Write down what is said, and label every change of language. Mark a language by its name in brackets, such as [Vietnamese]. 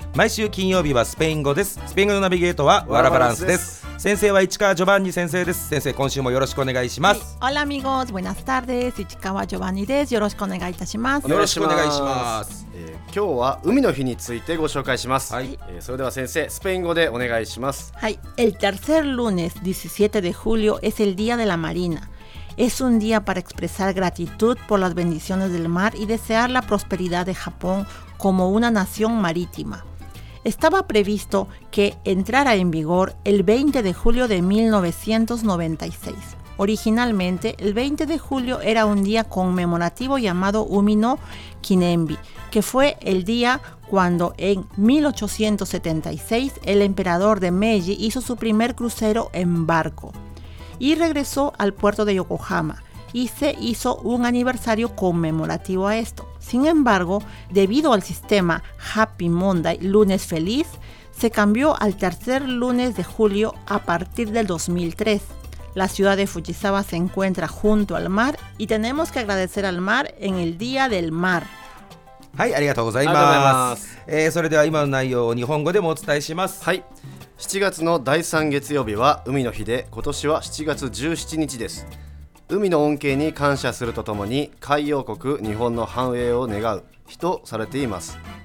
[Japanese] 毎週金曜日はスペイン語です。スペイン語のナビゲートはワラバランスです。先生は市川ジョバンニ先生です。先生、今週もよろしくお願いします。オラアミゴーズ、ブエナスタルです。市川ジョバンニです。よろしくお願いいたします。よろしくお願いします。今日は海の日についてご紹介します。はい、それでは先生、スペイン語でお願いします。 [Spanish] はい、El tercer lunes 17 de julio es el día de la marina. Es un día para expresar gratitud por las bendiciones del mar y desear la prosperidad de Japón como una nación marítima. Estaba previsto que entrara en vigor el 20 de julio de 1996. Originalmente, el 20 de julio era un día conmemorativo llamado Umino Kinenbi, que fue el día cuando en 1876 el emperador de Meiji hizo su primer crucero en barco y regresó al puerto de Yokohama, y se hizo un aniversario conmemorativo a esto. Sin embargo, debido al sistema Happy Monday, lunes feliz, se cambió al tercer lunes de julio a partir del 2003. La ciudad de Fujisawa se encuentra junto al mar y tenemos que agradecer al mar en el Día del Mar. [Japanese] はい、ありがとうございます。それでは今の内容を日本語でもお伝えします。はい、7月の第3月曜日は海の日で、今年は7月17日です。海の恩恵に感謝するとともに、海洋国日本の繁栄を願う日とされています。